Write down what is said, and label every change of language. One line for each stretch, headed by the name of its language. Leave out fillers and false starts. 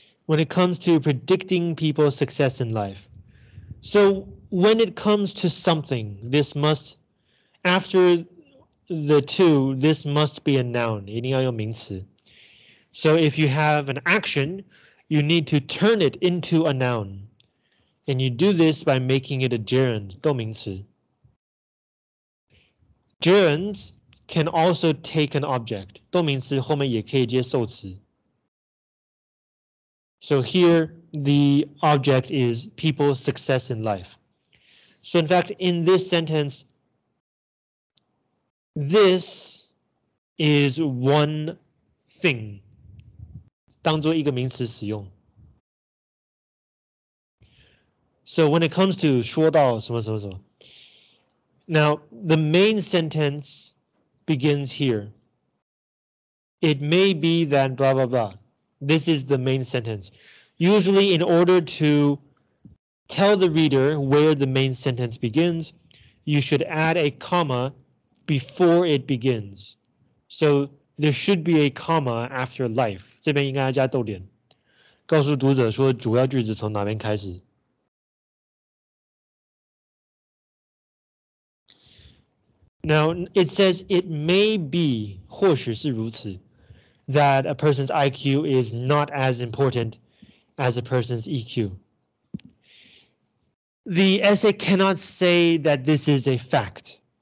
English: When it comes to predicting people's success in life. So when it comes to something, this must, after the two, this must be a noun.
Chinese: 一定要用名词.
English: So if you have an action, you need to turn it into a noun. And you do this by making it a gerund,
Chinese: 动名词.
English: Gerunds can also take an object.
Chinese: 动名词后面也可以接受词.
English: So here, the object is people's success in life. So in fact, in this sentence, this is one thing.
Chinese: 当作一个名词使用.
English: So when it comes to
Chinese: 说到什么什么什么,
English: now, the main sentence begins here. It may be that blah, blah, blah. This is the main sentence. Usually, in order to tell the reader where the main sentence begins, you should add a comma before it begins. So there should be a comma after life.
Chinese: 这边应该加逗点，告诉读者说主要句子从哪边开始。
English: Now it says it may be,
Chinese: 或许是如此,
English: that a person's IQ is not as important as a person's EQ. The essay cannot say that this is a fact.